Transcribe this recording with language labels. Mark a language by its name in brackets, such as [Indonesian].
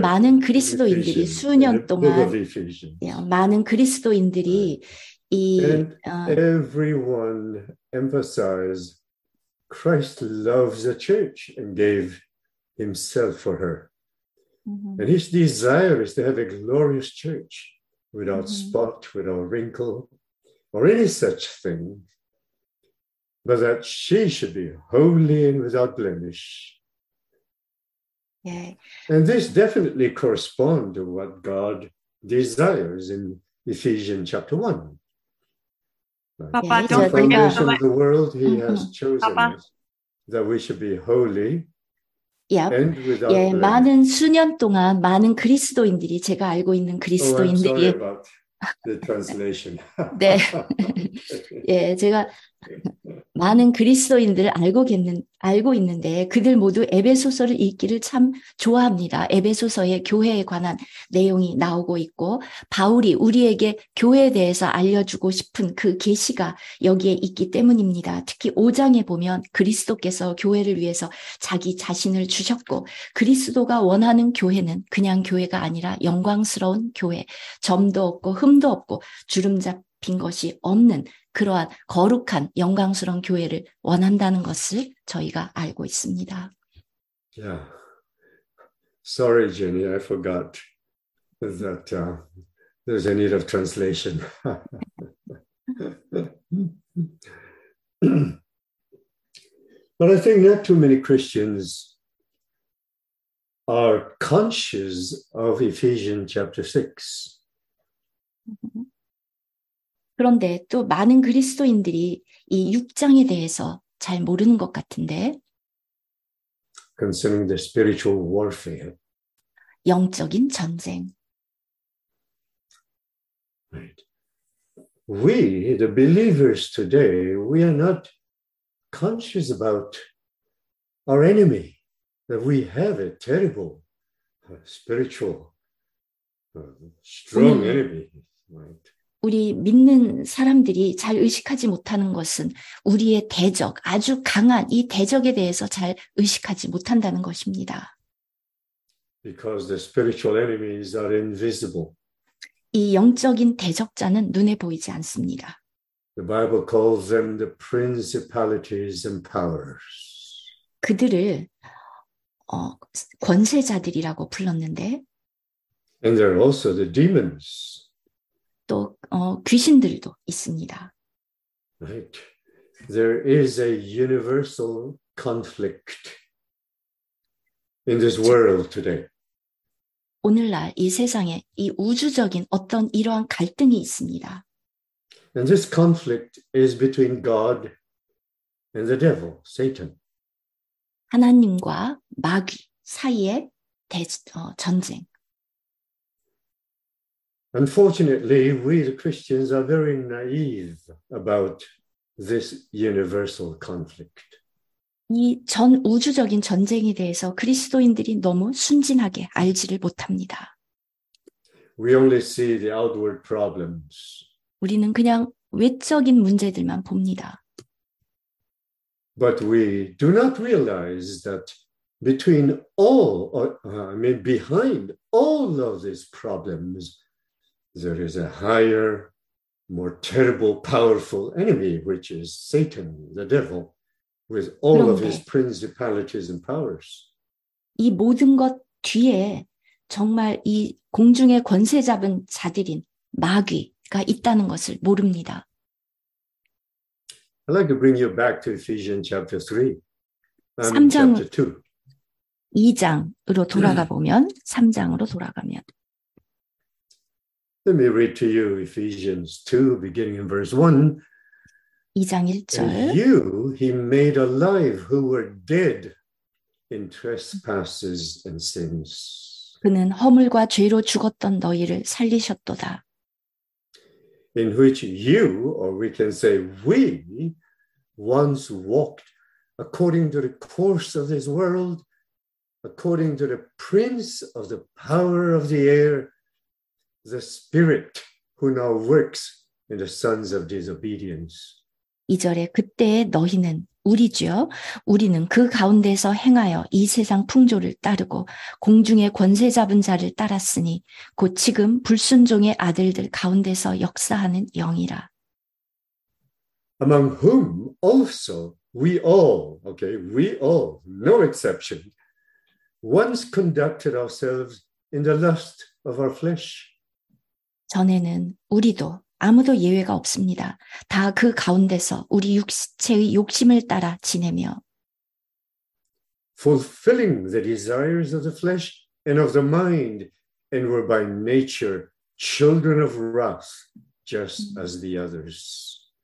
[Korean] 많은 그리스도인들이 수년 동안 [English] book of Ephesians. [Korean] Yeah, 많은 그리스도인들이 right. 이 [English] And everyone emphasized Christ loves the church and gave himself for her. Mm-hmm. And his desire is to have a glorious church without spot, without wrinkle, or any such thing, but that she should be holy and without blemish. Yeah. And this definitely corresponds to what God desires in Ephesians chapter 1. Like, Papa, the foundation of the world, he has chosen. Papa, that we should be holy. Yep. [Korean] 예, 많은 수년 동안 많은 그리스도인들이 제가 알고 있는 그리스도인들이 [English] oh, sorry about the translation. [Korean] 네. 예, 제가 많은 그리스도인들을 알고 있는데 그들 모두 에베소서를 읽기를 참 좋아합니다. 에베소서의 교회에 관한 내용이 나오고 있고 바울이 우리에게 교회에 대해서 알려주고 싶은 그 계시가 여기에 있기 때문입니다. 특히 5장에 보면 그리스도께서 교회를 위해서 자기 자신을 주셨고 그리스도가 원하는 교회는 그냥 교회가 아니라 영광스러운 교회, 점도 없고 흠도 없고 주름잡힌 것이 없는 그러한 거룩한 영광스러운 교회를 원한다는 것을 저희가 알고 있습니다. [English] Yeah. Sorry, Jenny. I forgot that there's a need of translation. But I think not too many Christians are conscious of Ephesians chapter 6. [Korean] 그런데 또 많은 그리스도인들이 이 6장에 대해서 잘 모르는 것 같은데 [English] Concerning the spiritual warfare. [Korean] 영적인 전쟁 [English] right. We, the believers today, we are not conscious about our enemy, that we have a terrible spiritual strong enemy, right? [Korean] 우리 믿는 사람들이 잘 의식하지 못하는 것은 우리의 대적, 아주 강한 이 대적에 대해서 잘 의식하지 못한다는 것입니다. [English] Because the spiritual enemies are invisible. [Korean] 이 영적인 대적자는 눈에 보이지 않습니다. [English] The Bible calls them the principalities and powers. [Korean] 그들을 권세자들이라고 불렀는데 [English] And there are also the demons. [Korean] 또 귀신들도 있습니다. [English] Right. There is a universal conflict in this world today. [Korean] 오늘날 이 세상에 이 우주적인 어떤 이러한 갈등이 있습니다. [English] And this conflict is between God and the devil, Satan. [Korean] 하나님과 마귀 사이의 전쟁. [English] Unfortunately, we the Christians are very naive about this universal conflict. [Korean] 이 전 우주적인 전쟁에 대해서 그리스도인들이 너무 순진하게 알지를 못합니다. [English] We only see the outward problems. [Korean] 우리는 그냥 외적인 문제들만 봅니다. [English] But we do not realize that between all, behind all of these problems. There is a higher, more terrible, powerful enemy, which is Satan, the devil, with all of his principalities and powers. [Korean] 이 모든 것 뒤에 정말 이 공중의 권세 잡은 자들인 마귀가 있다는 것을 모릅니다. [English] I'd like to bring you back to Ephesians chapter 3. Chapter 2. [Korean] 2장으로 돌아가 보면, 3장으로 돌아가면. [English] Let me read to you Ephesians 2, beginning in verse 1. [Korean] 2장 1절. [English] And you he made alive who were dead in trespasses and sins. [Korean] 그는 허물과 죄로 죽었던 너희를 살리셨도다. [English] In which you, or we can say we, once walked according to the course of this world, according to the prince of the power of the air, The spirit who now works in the sons of disobedience. [Korean] 2절에 그때 너희는 우리지요. 우리는 그 가운데서 행하여 이 세상 풍조를 따르고 공중의 권세 잡은 자를 따랐으니 곧 지금 불순종의 아들들 가운데서 역사하는 영이라. [English] Among whom also we all, okay, we all, no exception, once conducted ourselves in the lust of our flesh. [Korean] 전에는 우리도 아무도 예외가 없습니다. 다 그 가운데서 우리 육체의 욕심을 따라 지내며 [English] fulfilling the desires of the flesh and of the mind and were by nature children of wrath just as the others.